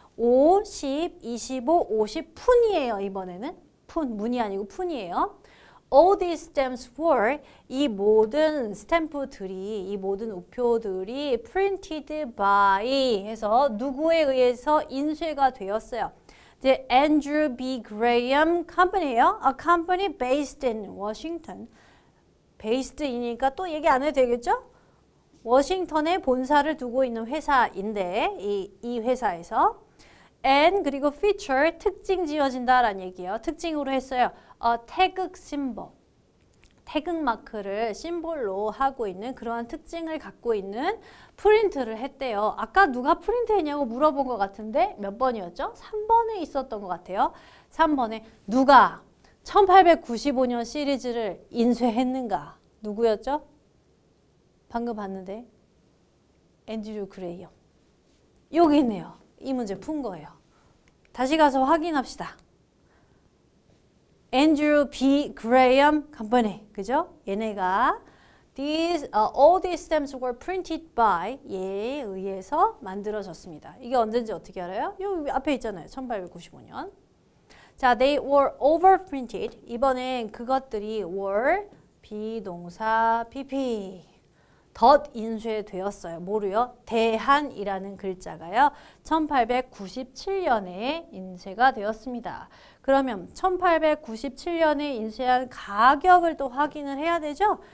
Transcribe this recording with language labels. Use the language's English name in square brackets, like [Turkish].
[Korean] 5, 10, 25, 50 푼이에요. 이번에는 푼, 문이 아니고 푼이에요. [English] All these stamps were [Korean] 이 모든 스탬프들이 이 모든 우표들이 printed by 해서 누구에 의해서 인쇄가 되었어요. [English] The Andrew B. Graham Company예요. A company based in Washington. [Korean] Based이니까 또 얘기 안 해도 되겠죠? 워싱턴에 본사를 두고 있는 회사인데 이 회사에서 and 그리고 feature 특징 지어진다라는 얘기예요. 특징으로 했어요. [English] A tag symbol. [Korean] 태극 마크를 심볼로 하고 있는 그러한 특징을 갖고 있는 프린트를 했대요. 아까 누가 프린트 했냐고 물어본 것 같은데 몇 번이었죠? 3번에 있었던 것 같아요. 3번에 누가 1895년 시리즈를 인쇄했는가? 누구였죠? 방금 봤는데 앤드류 그레이엄. 여기 있네요. 이 문제 푼 거예요. 다시 가서 확인합시다. [English] Andrew B. [Korean] Graham Company, 그죠? 얘네가 [English] all these stamps were printed by [Korean] 얘에 의해서 만들어졌습니다. 이게 언제인지 어떻게 알아요? 여기 앞에 있잖아요. 1895년. [English] 자, they were overprinted. [Korean] 이번엔 그것들이 were be동사 pp. 덧 인쇄되었어요. 뭐로요? 대한이라는 글자가요. 1897년에 인쇄가 되었습니다. 그러면 1897년에 인쇄한 가격을 또 확인을 해야 되죠?